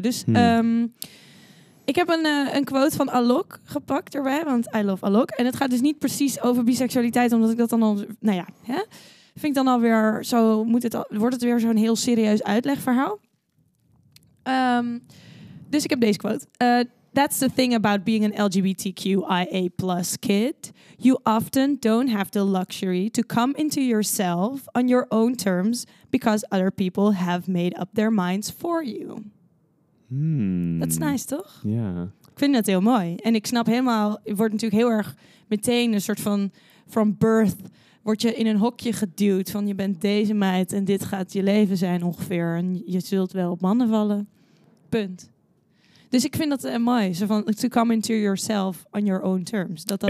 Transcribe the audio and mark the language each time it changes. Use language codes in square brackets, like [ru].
[nl] Dus ik heb een quote van Alok gepakt erbij, want [en] I love Alok. [nl] En het gaat dus niet precies over biseksualiteit, omdat ik dat dan al... Nou ja, hè? Vind ik dan alweer zo... wordt het weer zo'n heel serieus uitlegverhaal? Dus ik heb deze quote. [en] That's the thing about being an LGBTQIA+ kid. You often don't have the luxury to come into yourself on your own terms because other people have made up their minds for you. That's nice, [nl] toch? Ja. Yeah. Ik vind dat heel mooi. En ik snap helemaal, het wordt natuurlijk heel erg meteen een soort van, [en] from birth, [nl] word je in een hokje geduwd van je bent deze meid en dit gaat je leven zijn ongeveer. En je zult wel op mannen vallen. Punt. Dus ik vind dat mooi, zo van [en] to come into yourself on your own terms. [nl] Dat